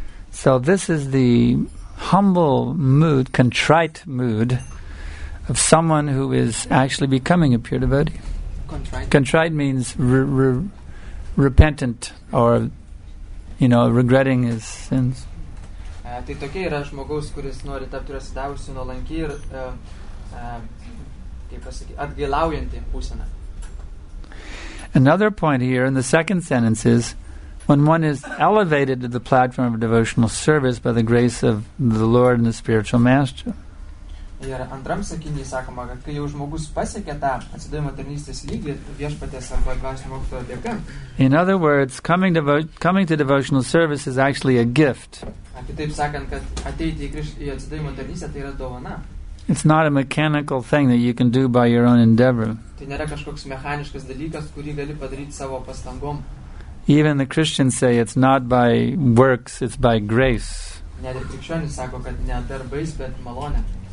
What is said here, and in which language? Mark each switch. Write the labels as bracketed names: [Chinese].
[English] So this is the humble mood, contrite mood of someone who is actually becoming a pure devotee. Contrite means repentant or, you know, regretting his sins. [Lithuanian] Tai tokia yra žmogaus, kuris nori tapti atsidavusiu nuolankiai ir, kaip pasakyti, atgailaujantį būseną. [English] Another point here in the second sentence is, when one is elevated to the platform of devotional service by the grace of the Lord and the spiritual master. [Lithuanian] Ir antram sakinį sakoma, kad kai jau žmogus pasiekia tą atsidavimo tarnystės lygį viešpaties arba dvasinio mokytojo dėka. [English] In other words, coming to devotional service is actually a gift. [Lithuanian] Kitaip sakant, kad ateiti į atsidavimo tarnystę tai yra dovana. [English] It's not a mechanical thing that you can do by your own endeavor. [Lithuanian] Tai nėra kažkoks mechaniškas dalykas, kurį gali padaryti savo pastangom. [English] Even the Christians say it's not by works, it's by grace. [Lithuanian] Net ir krikščionys sako, kad ne darbais, bet malone.